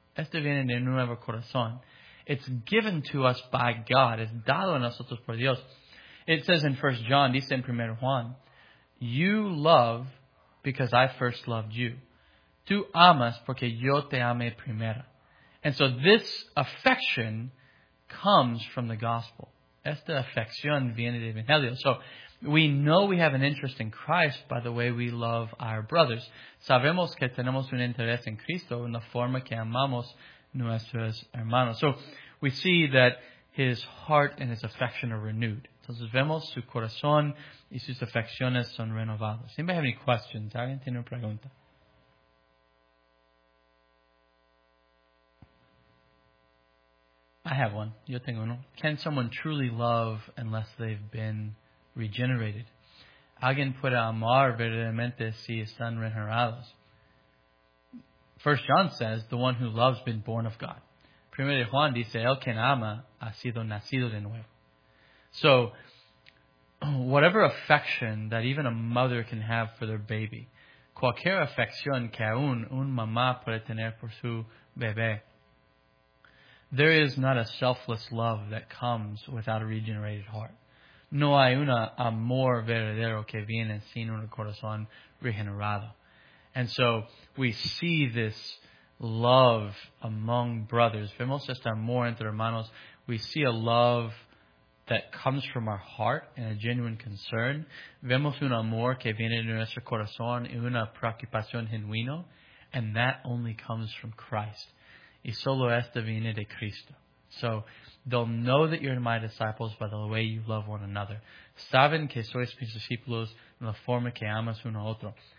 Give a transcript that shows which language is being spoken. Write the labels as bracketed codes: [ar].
[es] Este viene de un nuevo corazón. [en] It's given to us by God. [es] Es dado a nosotros por Dios. [en] It says in 1 John, [es] dice en 1 Juan, [en] you love because I first loved you. [es] Tú amas porque yo te amé primero. [en] And so this affection comes from the gospel. [es] Esta afección viene del Evangelio. [en] So we know we have an interest in Christ by the way we love our brothers. [es] Sabemos que tenemos un interés en Cristo en la forma que amamos nuestros hermanos. [en] So we see that his heart and his affection are renewed. [es] Entonces vemos su corazón y sus afecciones son renovadas. [en] ¿Anybody have any questions? [es] ¿Alguien tiene una pregunta? [en] I have one. [es] Yo tengo uno. [en] Can someone truly love unless they've been regenerated? [es] ¿Alguien puede amar verdaderamente si están regenerados? [en] 1 John says, the one who loves has been born of God. [es] 1 Juan dice, el que ama ha sido nacido de nuevo. [en] So, whatever affection that even a mother can have for their baby, [es] cualquier afección que aún un mamá puede tener por su bebé, [en] there is not a selfless love that comes without a regenerated heart. [es] No hay un amor verdadero que viene sin un corazón regenerado. [en] And so we see this love among brothers. [es] Vemos este amor entre hermanos. [en] We see a love that comes from our heart and a genuine concern. [es] Vemos un amor que viene de nuestro corazón y una preocupación genuino. [en] And that only comes from Christ. [es] Y solo esta viene de Cristo. [en] So, they'll know that you're my disciples by the way you love one another. [es] Saben que sois mis discípulos en la forma que amas uno a otro.